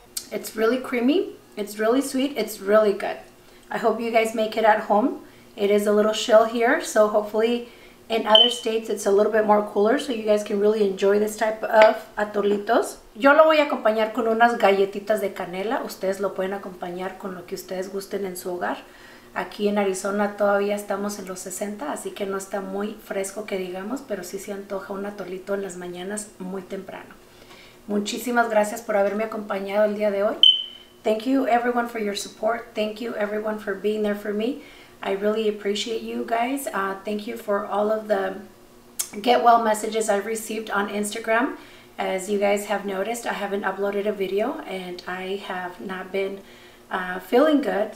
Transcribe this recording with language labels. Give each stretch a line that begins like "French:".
English: It's really creamy. It's really sweet. It's really good. I hope you guys make it at home. It is a little chill here, so hopefully in other states, it's a little bit more cooler, so you guys can really enjoy this type of atolitos.
Spanish: Yo lo voy a acompañar con unas galletitas de canela. Ustedes lo pueden acompañar con lo que ustedes gusten en su hogar. Aquí en Arizona todavía estamos en los 60, así que no está muy fresco que digamos, pero sí se antoja un atolito en las mañanas muy temprano. Muchísimas gracias por haberme acompañado el día de hoy.
English: Thank you everyone for your support. Thank you everyone for being there for me. I really appreciate you guys. Thank you for all of the get well messages I've received on Instagram. As you guys have noticed, I haven't uploaded a video and I have not been feeling good.